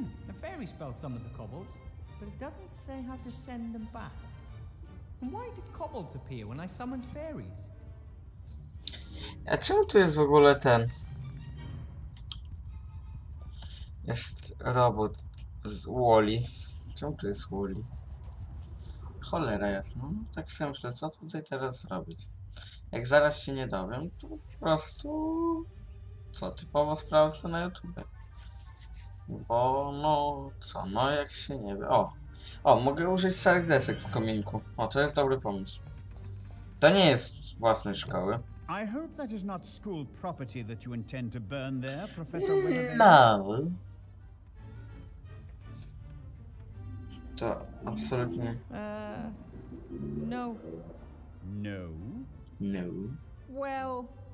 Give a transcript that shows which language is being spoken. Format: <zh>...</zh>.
<en>A fairy spell some of the kobolds, but it doesn't say how to send them back. Why did kobolds appear when I summoned fairies?</en> <pl>A czemu tu jest w ogóle ten? Jest robot z Wally. Czemu tu jest Wally? Cholera jasna. No, tak sobie myślę, co tutaj teraz robić? Jak zaraz się nie dowiem, to po prostu co, typowo sprawdzę na YouTube. Bo no co, no jak się nie wie. O! O, mogę użyć starych desek w kominku. O, to jest dobry pomysł. To nie jest własnej szkoły.</pl> <en>I hope that is not school property that you intend to burn there, Professor Winnebago.</en> <pl>To absolutnie.</pl> <en>No. No. No. Well,</en>